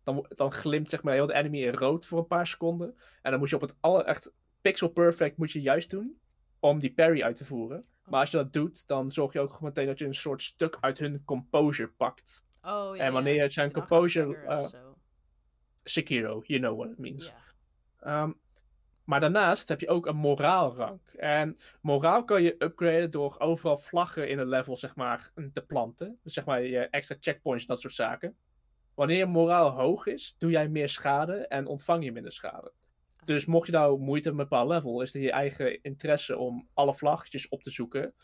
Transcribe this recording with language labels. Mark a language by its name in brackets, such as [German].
[Dutch] Dan glimt zeg maar heel de enemy in rood voor een paar seconden. En dan moet je op het aller echt pixel perfect moet je juist doen om die parry uit te voeren. Oh. Maar als je dat doet, dan zorg je ook meteen dat je een soort stuk uit hun composure pakt. [English] Oh, yeah, [Dutch] en wanneer je zijn composure... [English] Sekiro, you know what it means. Yeah. [Dutch] Maar daarnaast heb je ook een moraal rank. En moraal kan je upgraden door overal vlaggen in een level zeg maar, te planten. Dus zeg maar je extra checkpoints en dat soort zaken. Wanneer je moraal hoog is, doe jij meer schade en ontvang je minder schade. Dus mocht je nou moeite met een bepaald level, is het je eigen interesse om alle vlaggetjes op te zoeken.